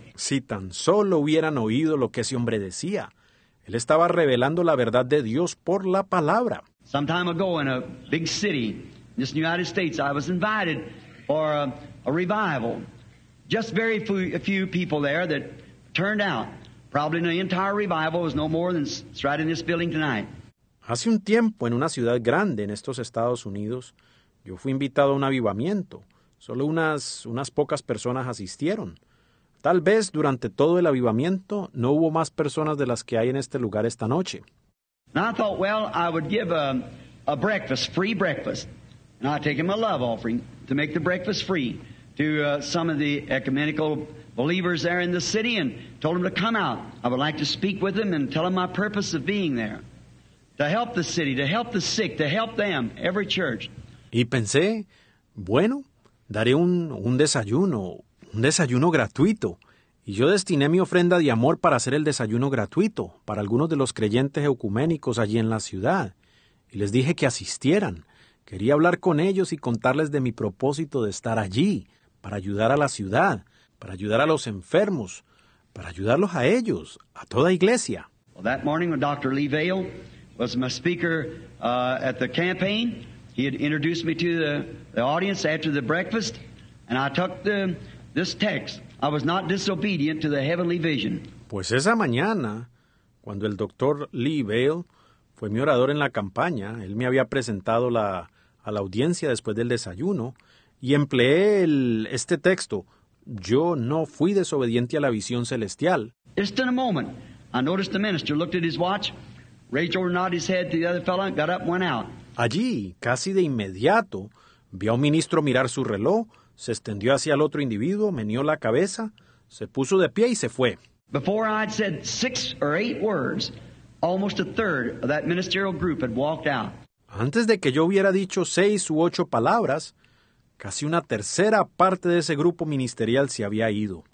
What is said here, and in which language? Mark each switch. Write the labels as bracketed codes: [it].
[es] Si tan solo hubieran oído lo que ese hombre decía, él estaba revelando la verdad de Dios por la palabra. [en] Some time ago in a big city, in the United States, I was invited for a revival. Just very few people there that turned out. Probably the entire revival was no more than right in this building tonight. [es] Hace un tiempo, en una ciudad grande en estos Estados Unidos, yo fui invitado a un avivamiento. Solo unas pocas personas asistieron. Tal vez durante todo el avivamiento no hubo más personas de las que hay en este lugar esta noche. [en] And I thought, well, I would give a breakfast, free breakfast, and I'd take him a love offering to make the breakfast free to some of the ecumenical believers there in the city and told them to come out. I would like to speak with them and tell them my purpose of being there, to help the city, to help the sick, to help them, every church. [es] Y pensé, bueno, daré un desayuno gratuito. Y yo destiné mi ofrenda de amor para hacer el desayuno gratuito para algunos de los creyentes ecuménicos allí en la ciudad. Y les dije que asistieran. Quería hablar con ellos y contarles de mi propósito de estar allí, para ayudar a la ciudad, para ayudar a los enfermos, para ayudarlos a ellos, a toda iglesia. [en] Well, that morning when Dr. Lee Vail was my speaker at the campaign, he had introduced me to the audience after the breakfast, and I took this text. I was not disobedient to the heavenly vision. [es] Pues esa mañana, cuando el Dr. Lee Vail fue mi orador en la campaña, él me había presentado a la audiencia después del desayuno, y empleé este texto. Yo no fui desobediente a la visión celestial. [en] Just in a moment, I noticed the minister looked at his watch, raised over nodded his head to the other fellow, got up and went out. [es] Allí, casi de inmediato, vi a un ministro mirar su reloj, se extendió hacia el otro individuo, meneó la cabeza, se puso de pie y se fue. [en] Before I'd said six or eight words, almost a third of that ministerial group had walked out. [es] Antes de que yo hubiera dicho seis u ocho palabras, casi una tercera parte de ese grupo ministerial se había ido.